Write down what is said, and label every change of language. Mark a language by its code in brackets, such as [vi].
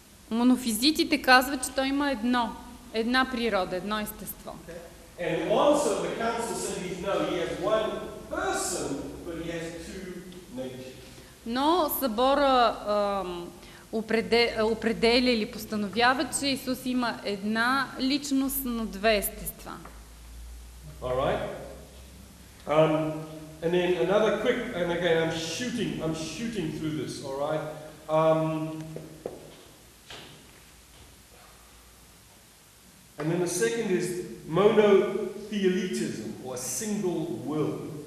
[bg] Монофизитите казват, че той има една природа, едно естество. [en] Okay. And also the council said he has one person, but he has two natures. [bg] Но събора определя или постановява, че Исус има една личност, но две естества. [en] All right. And then another quick, and again, I'm shooting through this, all right? Um, And then the second is monotheism or a single will.